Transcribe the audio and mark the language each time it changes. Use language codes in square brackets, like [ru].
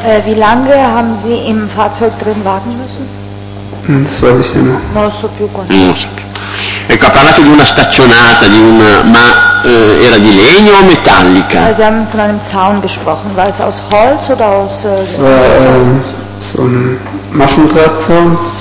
[de] Wie lange haben Sie im Fahrzeug drin warten müssen? Das weiß ich nicht. [it] Non so più quanto. Non so più. Ecco, ha parlato di una staccionata, di una, ma era di legno o metallica? [de] Sie haben von einem Zaun gesprochen, war es aus Holz oder aus? Es war so ein Maschendrahtzaun.